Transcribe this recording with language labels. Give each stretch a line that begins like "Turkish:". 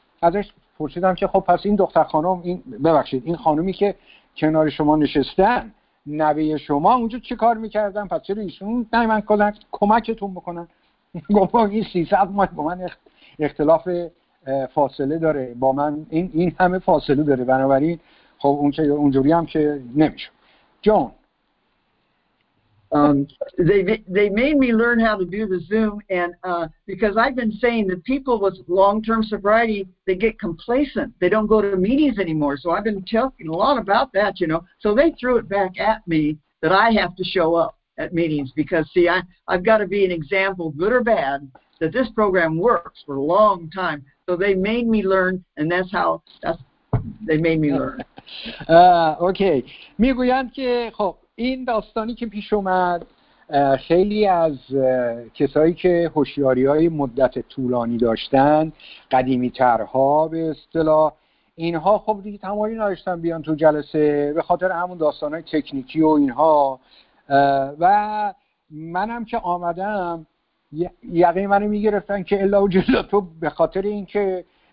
Persian: ازش پرسیدم که خب پس این دختر خانم، این خانومی که کنار شما نشستن، نوه شما، اونجا چه کار میکردن؟ پس چرا ایشون نمیان کمکتون بکنن؟ گفت این 300 مایل با من اختلاف فاصله داره، با من این همه فاصله داره، بنابراین خب اونجوری هم که نمیشه. جون،
English: they made me learn how to do the Zoom, and because I've been saying that people with long-term sobriety, they get complacent, they don't go to meetings anymore, so I've been talking a lot about that, you know, so they threw it back at me that I have to show up at meetings because, see, I've got to be an example, good or bad, that this program works for a long time. So they made me learn, and that's how they made me learn. Okay.
Persian: میگویند که خب این داستانی که پیش اومد، خیلی از کسایی که هوشیاری‌های مدت طولانی داشتن، قدیمی‌ترها به اصطلاح، اینها خب دیگه تمایلی نداشتن بیان تو جلسه به خاطر همون داستانای تکنیکی و اینها، و منم که آمدم یقین منو میگرفتن که الا و جلا تو به خاطر اینکه